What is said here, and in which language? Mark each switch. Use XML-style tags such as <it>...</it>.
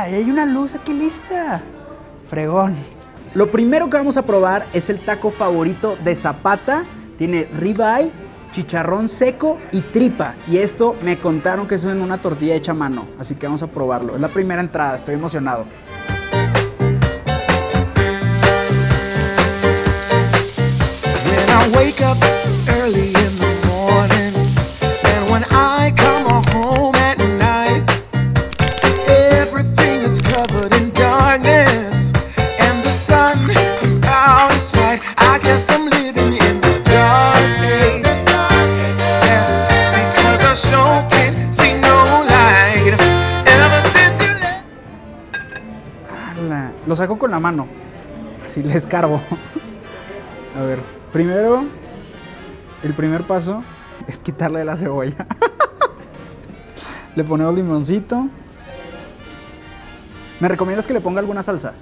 <es>Hay una luz aquí lista. ¡Fregón! Lo primero que vamos a probar es el taco favorito de Zapata. Tiene ribeye, chicharrón seco y tripa. Y esto me contaron que es en una tortilla hecha a mano. Así que vamos a probarlo. Es la primera entrada, estoy emocionado.</es> <en>When I wake up early in the morning, and when I come home at night, everything is covered in darkness, and the sun is out of sight. I guess I'm living in the dark age, yeah, because I sure can't see no light ever since you left.</en> <es>¡Hala! Lo saco con la mano, así le escarbo. A ver, primero, el primer paso es quitarle la cebolla. Le ponemos limoncito. ¿Me recomiendas que le ponga alguna salsa?</es>